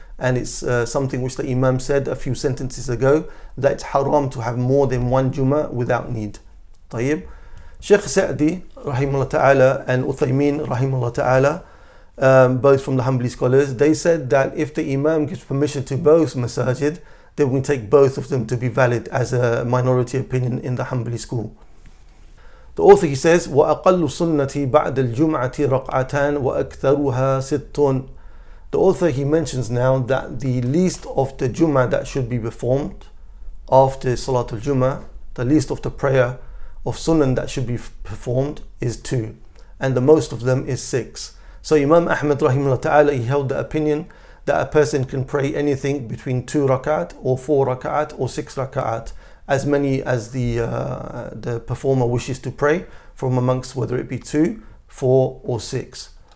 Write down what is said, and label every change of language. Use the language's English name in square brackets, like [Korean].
[English] And it's something which the Imam said a few sentences ago, that it's haram to have more than one Jummah without need. Tayyib. Sheikh Sa'di, rahimahullah ta'ala, and Uthaymeen, rahimahullah ta'ala, both from the Hanbali scholars, they said that if the Imam gives permission to both masajid, then we take both of them to be valid as a minority opinion in the Hanbali school. [Arabic] The author, he says, وَأَقَلُّ سُنَّةِ بَعْدَ الْجُمْعَةِ رَقْعَةً وَأَكْثَرُهَا سِتٌ. [English] The author, he mentions now that the least of the Jum'ah that should be performed after Salatul Jum'ah, the least of the prayer of Sunan that should be performed is two, and the most of them is six. So Imam Ahmad rahimahullah ta'ala, he held the opinion that a person can pray anything between two rak'at or four rak'at or six rak'at, as many as the performer wishes to pray from amongst, whether it be two, four or six.